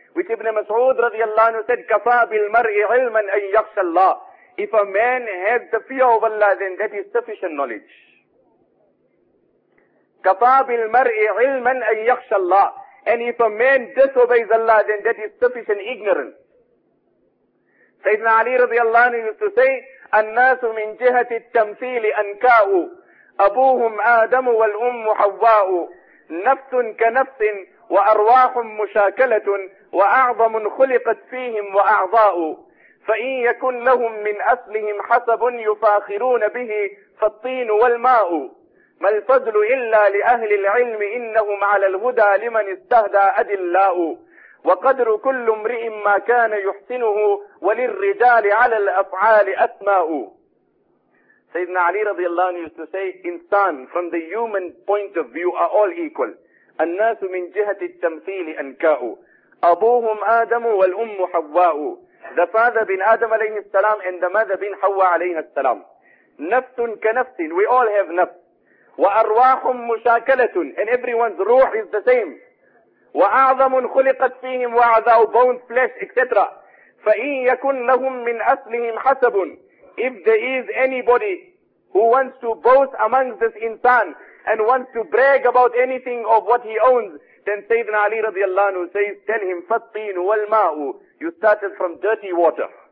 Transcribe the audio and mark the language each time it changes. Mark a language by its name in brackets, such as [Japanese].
[English] Which Ibn Mas'ud radiallahu anhu said, [Arabic] كَفَى بِالْمَرْءِ عِلْمًا أَن يَخْشَى اللَّهِ. [English] If a man has the fear of Allah, then that is sufficient knowledge. [Arabic] كَفَى بِالْمَرْءِ عِلْمًا أَن يَخْشَى اللَّهِ. [English] And if a man disobeys Allah, then that is sufficient ignorance. Sayyidina Ali radiallahu anhu used to say, [Arabic] النَّاسُ مِنْ جِهَةِ التَّمْثِيلِ أَنْكَاءُ أَبُوهُمْ آدَمُ وَالْأُمُّ حَوَّاءُ نَفْسٌ كَنَفْسٍ وَأَرْوَاحٌ مُشَاكَلَةٌ وَأَعْظَمٌ خُلِقَتْ فِيهِمْ وَأَعْضَاءُ فَإِنْ يَكُنْ لَهُمْ مِنْ أَصْلِهِمْ حَسَبٌ يُفَاخِرُونَ بِهِ فَالطِّينُ وَالْمَاءُ. ما الفضل إلا لأهل العلم إنهم على الهدى لمن استهدى أدلاء وقدر كل امرئ ما كان يحسنه وللرجال على الأفعال أسماء. سيدنا علي رضي الله عنه [English] used to say, إنسان from the human point of view are all equal. [Arabic] الناس من جهة التمثيل أنكاء. أبوهم آدم والأم حواء. [English] The father bin Adam عليه السلام and the mother bin حواء عليه السلام. [Arabic] نفس كنفس. [English] We all have نفس. [Arabic] وأرواح مشاكلة. [English] And everyone's روح is the same. [Arabic] وأعظم خلقت فيهم وأعضاء [English] bones, flesh, etc. [Arabic] فإن يكن لهم من أصلهم حسب. [English] If there is anybody who wants to boast amongst this insan and wants to brag about anything of what he owns, then Sayyidina Ali radiallahu anhu says, tell him, [Arabic] فالطين والماء. [English] You started from dirty water.